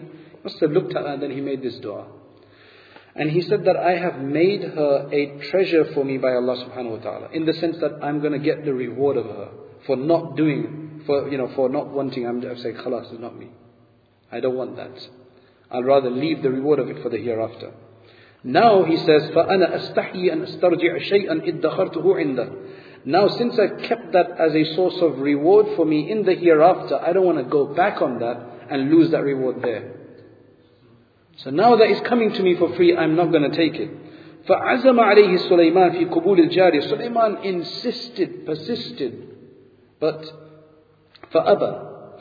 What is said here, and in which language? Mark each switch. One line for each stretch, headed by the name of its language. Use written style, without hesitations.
English: He must have looked at her and then he made this dua. And he said that I have made her a treasure for me by Allah subhanahu wa ta'ala. In the sense that I'm going to get the reward of her for not doing, for not wanting, I'm saying, khalas, it's not me. I don't want that. I'd rather leave the reward of it for the hereafter.
Arabic: Now he says, فَأَنَا أَسْتَحْيِي أَنْ أَسْتَرْجِعَ شَيْئًا إِذْ دَخَرْتُهُ عِنْدَهُ.
English: Now since I kept that as a source of reward for me in the hereafter, I don't want to go back on that and lose that reward there. So now that it's coming to me for free, I'm not going to take it.
Arabic: فَعَزَمَ عَلَيْهِ سُلَيْمَانَ فِي قُبُولِ الْجَارِيَ.
English: Sulaiman insisted, persisted, but
Arabic: فَأَبَى.